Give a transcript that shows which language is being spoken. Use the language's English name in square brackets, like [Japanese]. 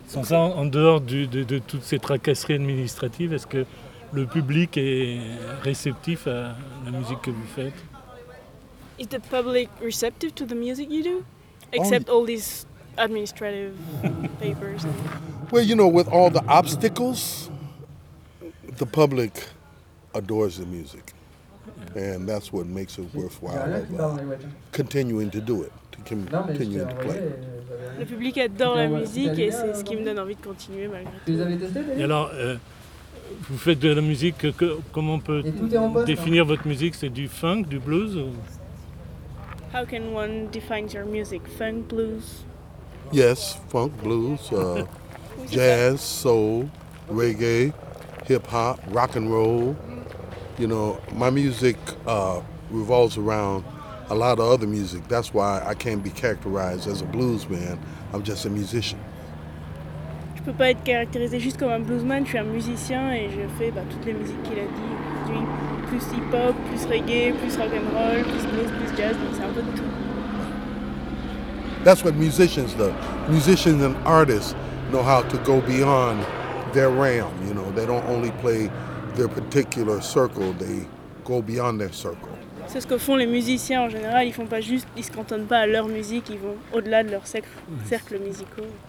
[French] Sans ça, en dehors de toutes ces tracasseries administratives, est-ce que le public est réceptif à la musique que vous faites? [English] Is the public receptive to the music you do, except all these administrative papers? Well, you know, with all the obstacles, the public adores the music, and that's what makes it worthwhile of, continuing to do it, to continue to play. [French] Le public adore la musique et c'est ce qui me donne envie de continuer malgré tout. Alors, vous faites de la musique. Comment on peut définir votre musique? C'est du funk, du blues? [English] How can one define your music? Funk, blues? Yes, funk, blues, jazz, soul, reggae, hip-hop, rock and roll. You know, my music revolves around a lot of other music. That's why I can't be characterized as a blues man. I'm just a musician. [French] Je peux pas être caractérisé juste comme un bluesman. Je suis un musicien et je fais toutes les musiques qu'il a dit. Plus hip-hop, plus reggae, plus rock and roll, plus blues, plus jazz. Donc c'est un peu de tout. [English] That's what musicians do. Musicians and artists know how to go beyond their realm, you know, they don't only play their particular circle, they go beyond their circle. [French] C'est ce que font les musiciens en général, ils font pas juste, ils se cantonnent pas à leur musique, ils vont au-delà de leur cercle musical.